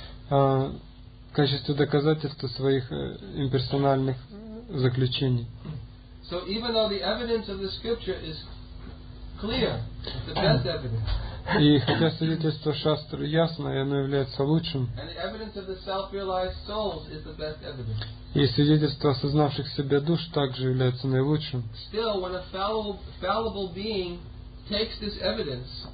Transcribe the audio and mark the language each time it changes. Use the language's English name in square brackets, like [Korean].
[Russian] В качестве доказательства своих имперсональных заключений. [English] So even though the evidence of the scripture is clear, the best evidence. [Russian] И хотя свидетельство шастр ясно, и оно является лучшим. [English] And the evidence of the self-realized souls is the best evidence. [Russian] И свидетельство осознавших себя душ также является наилучшим. [English] Still, when a fallible being takes this evidence.